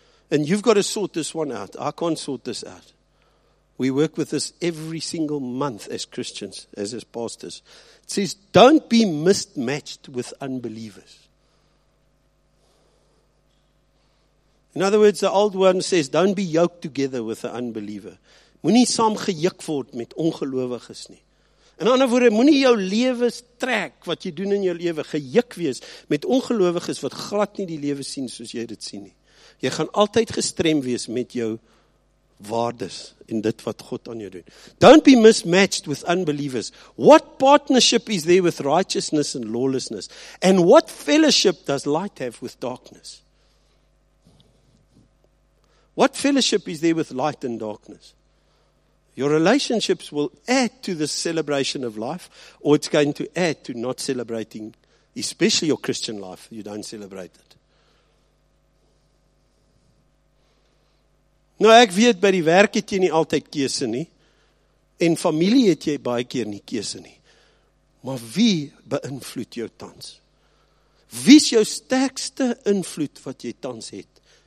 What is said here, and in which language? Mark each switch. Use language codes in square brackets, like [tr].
[en] And you've got to sort this one out. I can't sort this out. We work with this every single month as Christians, as pastors. It says, don't be mismatched with unbelievers. In other words, the old one says, don't be yoked together with the unbeliever. [af] Moenie saam gejuk word met ongelowiges nie. In ander woorde, moenie jou lewe trek wat jy doen in jou lewe, gejuk wees met ongelowiges wat glad nie die lewe sien soos jy dit sien nie. Jy gaan altyd gestrem wees met jou waardes en dit wat God aan jou doen. [en] Don't be mismatched with unbelievers. What partnership is there with righteousness and lawlessness? And what fellowship does light have with darkness? What fellowship is there with light and darkness? Your relationships will add to the celebration of life, or it's going to add to not celebrating, especially your Christian life. You don't celebrate it. [af] Nou, ek weet, by die werk het jy nie altyd keuse nie, en familie het jy baie keer nie keuse nie. Maar wie beïnvloed jou tans? Wie is jou sterkste invloed wat jy tans het?